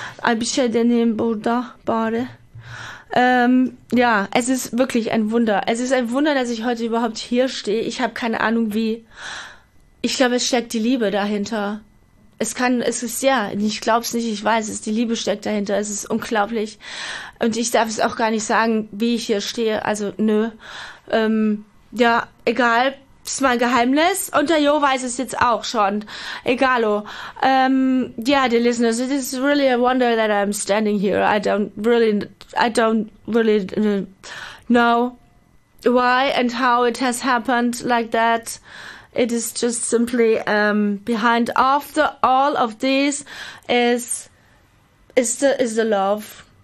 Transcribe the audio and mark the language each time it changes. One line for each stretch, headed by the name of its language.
Turkish: Ay, bir şey deneyeyim burada bari.
German: Ja, es ist wirklich ein Wunder. Es ist ein Wunder, dass ich heute überhaupt hier stehe. Ich habe keine Ahnung, wie. Ich glaube, es steckt die Liebe dahinter. Ich glaube es nicht, ich weiß es. Die Liebe steckt dahinter. Es ist unglaublich. Und ich darf es auch gar nicht sagen, wie ich hier stehe. Also, nö. Ja, egal. Ist mein Geheimnis. Und der Jo weiß es jetzt auch schon. Egalo.
English: Yeah, dear listeners, it is really a wonder that I'm standing here. I don't really know why and how it has happened like that. It is just simply behind. After all of this is the love.